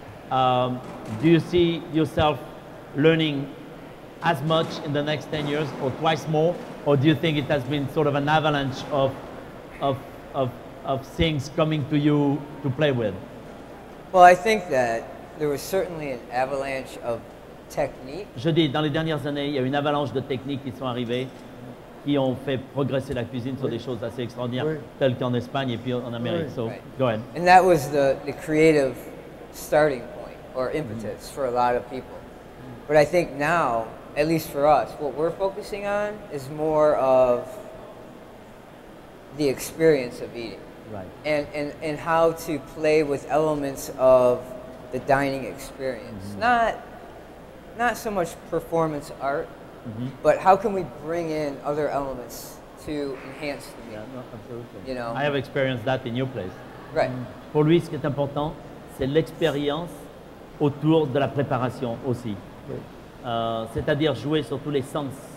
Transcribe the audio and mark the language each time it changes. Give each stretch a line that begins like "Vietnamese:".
English: Do you see yourself learning as much in the next 10 years or twice more, or do you think it has been sort of an avalanche of things coming to you to play with? Well, I think that there was certainly an avalanche of technique.
French: Je dis, dans les dernières années, il y a une avalanche de techniques qui sont arrivées, qui ont fait progresser la cuisine sur des choses assez extraordinaires, telles qu'en Espagne et puis en Amérique.
English: So, go ahead. And that was the creative starting point or impetus for a lot of people. But I think now, at least for us, what we're focusing on is more of the experience of eating. Right. And how to play with elements of the dining experience. Mm-hmm. Not so much performance art, but how can we bring in other elements to enhance the meal? Yeah, no, absolutely. You know? I have experienced that in your place. Right.
French: Pour lui, ce qui est important, c'est l'expérience autour de la préparation aussi. C'est-à-dire jouer sur tous les sens.